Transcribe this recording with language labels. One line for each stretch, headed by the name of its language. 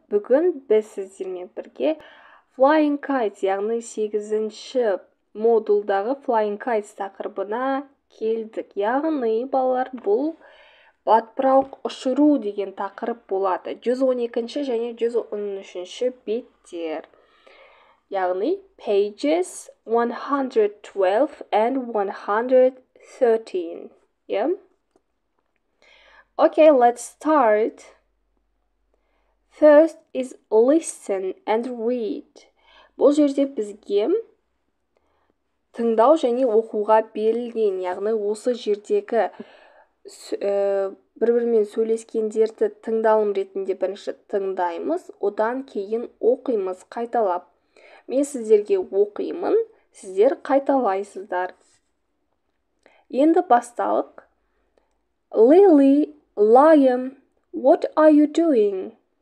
Kazakh: Бүгін біз сіздермен бірге Flying Kites, яғни 8-ші модулдағы Flying Kites тақырыбына келдік. Яғни, балалар, бұл батпырауық ұшыру деген тақырып болады. 112-ші және 113-ші беттер.
English: Яғни, pages 112 and 113. 13. Yeah. Okay, let's start. First is listen and read.
Kazakh: Бұл жерде бізге тыңдау және оқуға берілген, яғни осы жердегі бір-бірімен сөйлескендерді тыңдалым ретінде бірінші тыңдаймыз, одан кейін оқимыз қайталап. Мен сіздерге оқимын, сіздер қайталайсыздар. Енді басталық.
English: Lily, Liam, what are you doing?